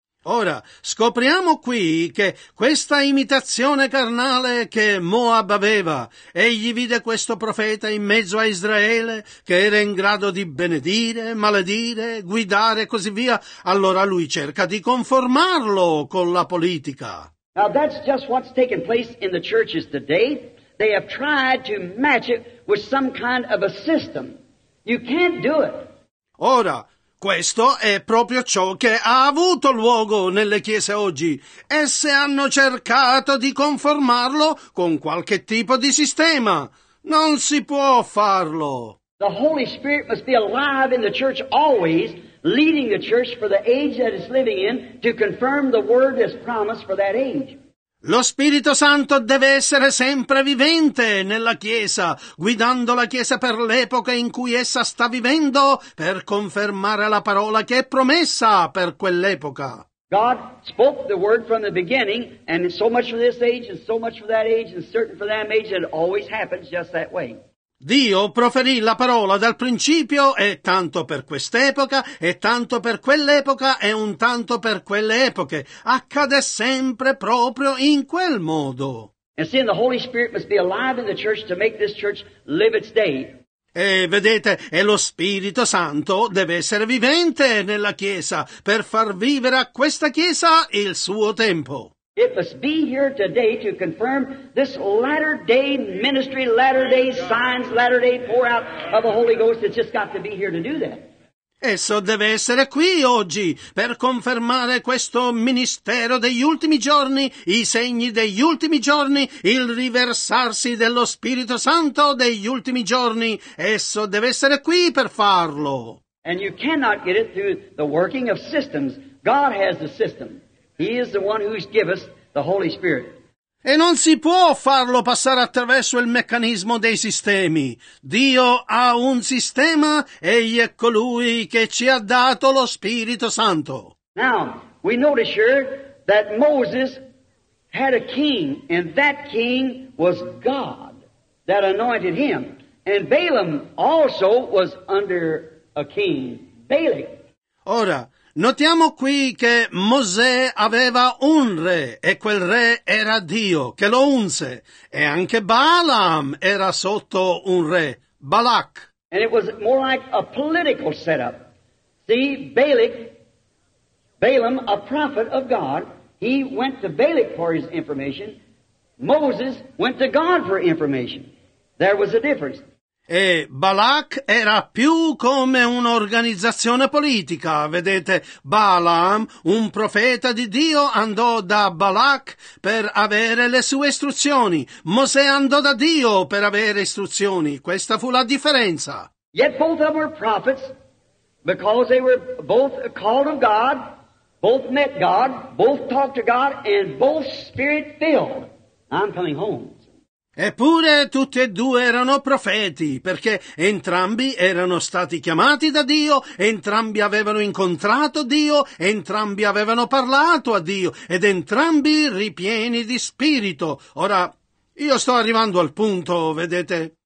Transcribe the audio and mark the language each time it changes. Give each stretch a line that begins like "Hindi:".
Italian: Ora, scopriamo qui che questa imitazione carnale che Moab aveva, egli vide questo profeta in mezzo a Israele, che era in grado di benedire, maledire, guidare e così via, allora lui cerca di conformarlo con la politica.
English: Now that's just what's taken place in the churches today. They have tried to match it with some kind of a system. You can't do it.
Italian: Ora, questo è proprio ciò che ha avuto luogo nelle chiese oggi. Esse hanno cercato di conformarlo con qualche tipo di sistema. Non si può farlo.
English: The Holy Spirit must be alive in the church always, leading the church for the age that it's living in, to confirm the word that's promised for that age.
Italian: Lo Spirito Santo deve essere sempre vivente nella Chiesa, guidando la Chiesa per l'epoca in cui essa sta vivendo, per confermare la parola che è promessa per quell'epoca.
English: God spoke the word from the beginning, and so much for this age, and so much for that age, and certain for that age, it always happens just that way.
Italian: Dio proferì la parola dal principio, e tanto per quest'epoca, e tanto per quell'epoca, e un tanto per quelle epoche. Accade sempre proprio in quel modo.
English: And seeing the Holy Spirit must be alive in the church to make this church live its day.
Italian: E vedete, e lo Spirito Santo deve essere vivente nella Chiesa per far vivere a questa Chiesa il suo tempo.
English: It must be here today to confirm this latter-day ministry, latter-day signs, latter-day pour out of the Holy Ghost. It's just got to be here to do that.
Italian: Esso deve essere qui oggi per confermare questo ministero degli ultimi giorni, i segni degli ultimi giorni, il riversarsi dello Spirito Santo degli ultimi giorni. Esso deve essere qui per farlo.
English: And you cannot get it through the working of systems. God has the system. He is the one who's given us the Holy Spirit.
Italian: E non si può farlo passare attraverso il meccanismo dei sistemi. Dio ha un sistema, egli è colui che ci ha dato lo Spirito Santo.
English: Now, we notice here that Moses had a king, and that king was God that anointed him. And Balaam also was under a king, Balak.
Italian: Ora, notiamo qui che Mosè aveva un re, e quel re era Dio, che lo unse. E anche Balaam era sotto un re, Balak.
English: And it was more like a political setup. See, Balaam, a prophet of God, he went to Balak for his information. Moses went to God for information. There was a difference.
Italian: E Balak era più come un'organizzazione politica, vedete, Balaam, un profeta di Dio, andò da Balak per avere le sue istruzioni, Mosè andò da Dio per avere istruzioni, questa fu la differenza.
English: Yet both of them were prophets, because they were both called of God, both met God, both talked to God, and both spirit-filled. I'm coming home.
Italian: Eppure tutti e due erano profeti, perché entrambi erano stati chiamati da Dio, entrambi avevano incontrato Dio, entrambi avevano parlato a Dio, ed entrambi ripieni di spirito. Ora, io sto arrivando al punto, vedete?